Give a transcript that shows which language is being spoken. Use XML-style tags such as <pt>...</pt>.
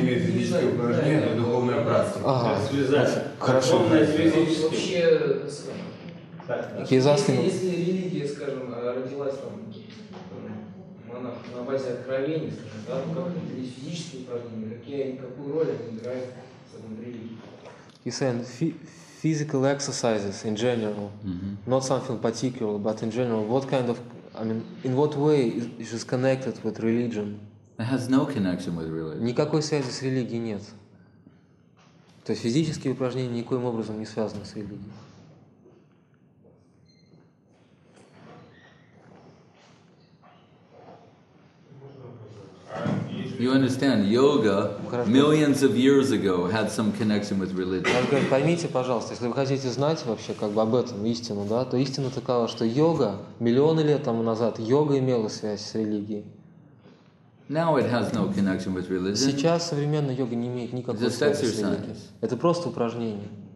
<ru>имеет физическое упражнение, но духовное практика. Ага. Связать. Хорошо. Вообще, если религия, скажем, родилась там, на базе откровений, скажем, да, то как это есть физические упражнения? Какую роль они играют в самом религии?</ru> <en>Physical exercises in general, not something particular, but in general, what kind of, I mean, in what way is it connected with religion? It has no connection with religion.</en> <ru>Никакой связи с религией нет. То есть физические упражнения никоим образом не связаны с религией.</ru> <en>You understand, yoga millions of years ago had some connection with religion.</en> <ru>Поймите, пожалуйста, если вы хотите знать вообще как бы об этом истину, да, то истина такова, что йога миллионы лет тому назад йога имела связь с религией.</ru> <en>Now it has no connection with religion.</en> <ru>Сейчас современная йога не имеет никакой связи с религией. Это просто упражнение.</ru>